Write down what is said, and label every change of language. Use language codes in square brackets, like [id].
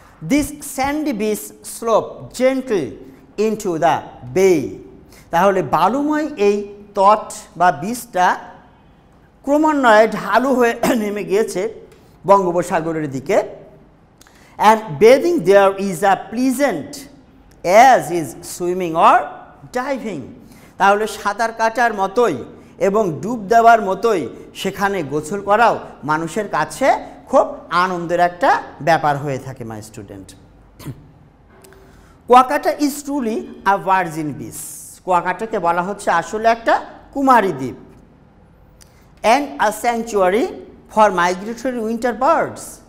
[en] This sandy beach slope gentle into the bay. [bn] তাহলে বালুময় এই তট বা বিচটা ক্রমান্বয়ে ঢালু হয়ে নেমে গিয়েছে বঙ্গোপসাগরের দিকে। [en] And bathing there is as pleasant as is swimming or diving. [bn] তাহলে সাঁতার কাটার মতোই এবং ডুব দেওয়ার মতোই সেখানে গোসল করাও মানুষের কাছে খুব আনন্দের একটা ব্যাপার হয়ে থাকে। [en] My student, Kuakata is truly a virgin beach. [bn] কুয়াকাটাকে বলা হচ্ছে আসলে একটা কুমারী দ্বীপ, [en] And a sanctuary for migratory winter birds.